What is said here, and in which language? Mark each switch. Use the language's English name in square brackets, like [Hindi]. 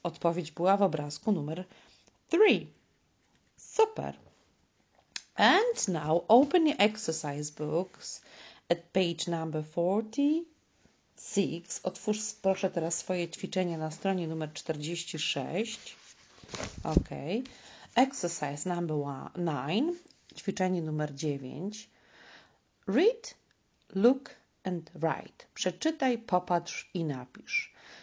[Polish] Odpowiedź była w obrazku numer 3. Super. [English] And now open your exercise books at page number 46. [Polish] Otwórz proszę teraz swoje ćwiczenie na stronie numer 46. Okay. [English] Exercise number 9, [Polish] ćwiczenie numer 9. [English] Read, look and write. [Polish] Przeczytaj, popatrz i napisz.